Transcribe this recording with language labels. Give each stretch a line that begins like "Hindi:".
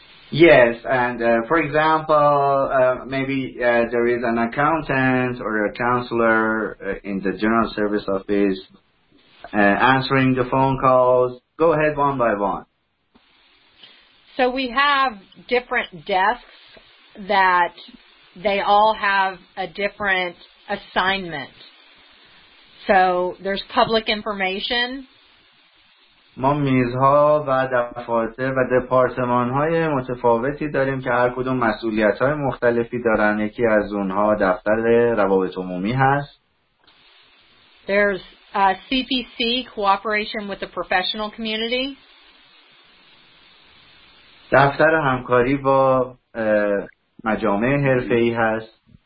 English: Yes, and for example, maybe there is an accountant or a counselor in the General Service Office answering the phone calls. Go ahead one by one. So we have different desks that they all have a different assignment. So there's public information.
Persian: ما میزها و دفاتر و دپارتمان‌های متفاوتی داریم که هر کدوم مسئولیت‌های مختلفی دارن. یکی از اونها دفتر روابط عمومی هست.
English: There's a CPC, cooperation with the professional community.
Persian: دفتر همکاری با مجامع حرفه‌ای هست.